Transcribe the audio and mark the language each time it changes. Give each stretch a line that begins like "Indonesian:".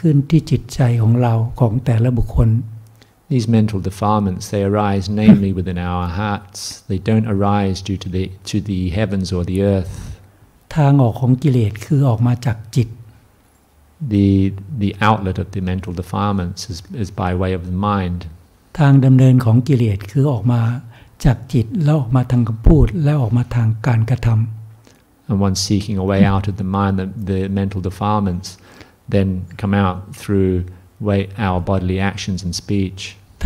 Thai: กิเลสทั้งหลายทั้งปวงเกิดขึ้นที่จิตใจของเราของแต่ละบุคคล
English: These mental defilements, they arise namely within our hearts. They don't arise due to the heavens or the earth.
Thai: ทางออกของกิเลสคือออกมาจากจิต
English: The outlet of the mental defilements is by way of the mind.
Thai: ทางดำเนินของกิเลสคือออกมาจากจิตแล้วออกมาทางพูดแล้วออกมาทางการกระทำ
English: And one seeking a way out of the mind, the mental defilements then come out through our bodily actions and speech.